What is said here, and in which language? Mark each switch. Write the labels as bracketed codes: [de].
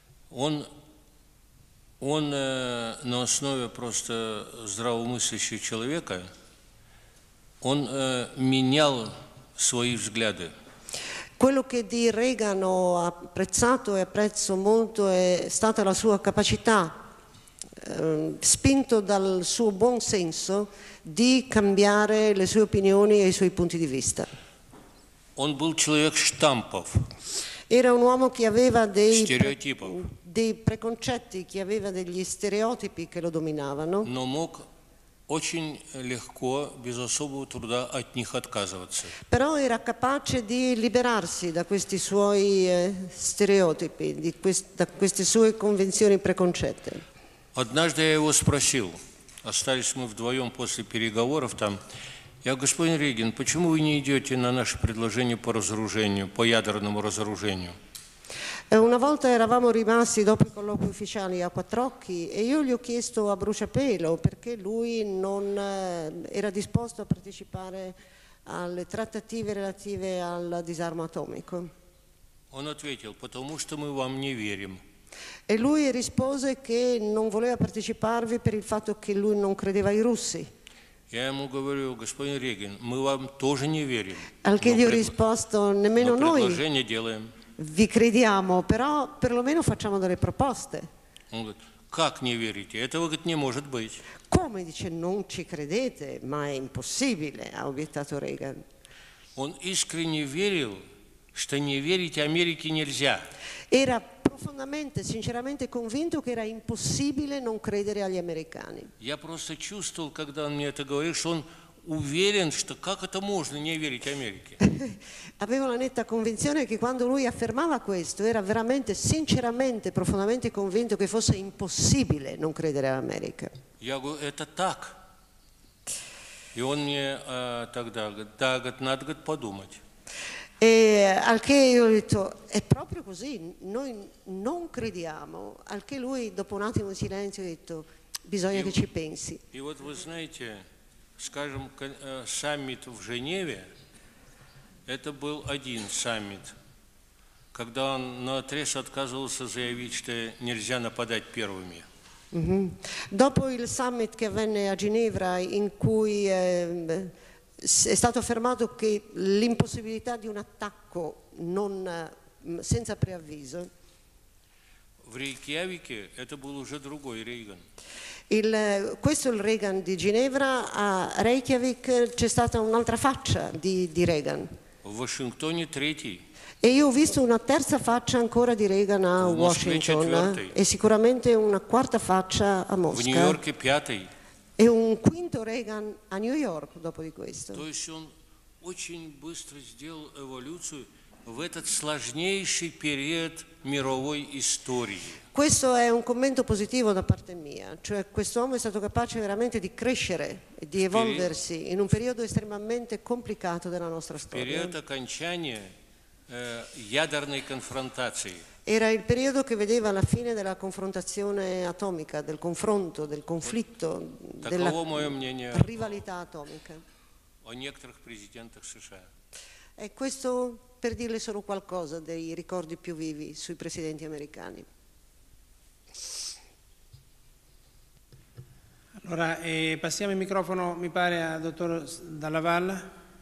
[ru] Он на основе просто здравомыслящего человека, он менял свои взгляды. [it] Quello che di Reagan ho apprezzato e apprezzo molto è stata la sua capacità, spinto dal suo buon senso, di cambiare le sue opinioni e i suoi punti di vista. [ru] Он был человек штампов. [it] Era un uomo che aveva dei preconcetti, che aveva degli stereotipi che lo dominavano. [ru] Но мог очень легко, без особого труда, от них отказываться. [it] Però era capace di liberarsi da questi suoi stereotipi, da queste sue convinzioni preconcette. [ru] Однажды я его спросил, остались мы вдвоем после переговоров там, я говорю: господин Рейган, почему вы не идете на наше предложение по разоружению, по ядерному разоружению? [it] Una volta eravamo rimasti dopo i colloqui ufficiali a quattro occhi e io gli ho chiesto a bruciapelo perché lui non era disposto a partecipare alle trattative relative al disarmo atomico. [ru] Он ответил: потому что мы вам не верим. [it] E lui rispose che non voleva parteciparvi per il fatto che lui non credeva ai russi. [ru] Я ему говорю: господин Рейган, мы вам тоже не верим. [it] Al che gli ho risposto: nemmeno noi. [ru] Предложение делаем. [it] Vi crediamo, però perlomeno facciamo delle proposte. [ru] Как не верите? Этого, говорит, не может быть. [it] Come, dice, non ci credete, ma è impossibile, ha obiettato Reagan. [ru] Он искренне верил, что не верить Америке нельзя. [it] Era profondamente, sinceramente convinto che era impossibile non credere agli americani. [ru] Я просто чувствовал, когда он мне это говорил, что он уверен, что как это можно не верить Америке. [it] Avevo la netta convinzione che quando lui affermava questo era veramente, sinceramente, profondamente convinto che fosse impossibile non credere all'America. [ru] Я говорю: это так. И он мне тогда говорит: да, надо подумать. [it] Al che io ho detto: è proprio così, noi non crediamo. Al che lui, dopo un attimo di silenzio, ha detto: bisogna che ci pensi. [ru] И вот вы знаете, скажем, саммит в Женеве, это был один саммит, к Когда он наотрез отказывался заявить, что нельзя нападать первыми. Mm-hmm. [it] Dopo il summit che venne a Ginevra in cui è stato affermato che l'impossibilità di un attacco non senza preavviso. [ru] В Рейкьявике это был уже другой Рейган. [it] Questo è il Reagan di Ginevra, a Reykjavik c'è stata un'altra faccia di Reagan. [ru] В Вашингтоне третий. [it] E io ho visto una terza faccia ancora di Reagan a Washington e sicuramente una quarta faccia a Mosca. [ru] В Нью-Йорке пятый. [it] E un quinto Reagan a New York dopo di questo. [ru] То есть он очень быстро сделал эволюцию в этот сложнейший период мировой истории. [it] Questo è un commento positivo da parte mia, cioè quest'uomo è stato capace veramente di crescere e di evolversi in un periodo estremamente complicato della nostra storia. [ru] Период окончания ядерной конфронтации. [it] Era il periodo che vedeva la fine della confrontazione atomica, del confronto, del conflitto, della rivalità atomica. [ru] О некоторых президентах США. [it] E questo per dirle solo qualcosa dei ricordi più vivi sui presidenti americani. Allora, passiamo il microfono, mi pare, al dottor Dalla Valla.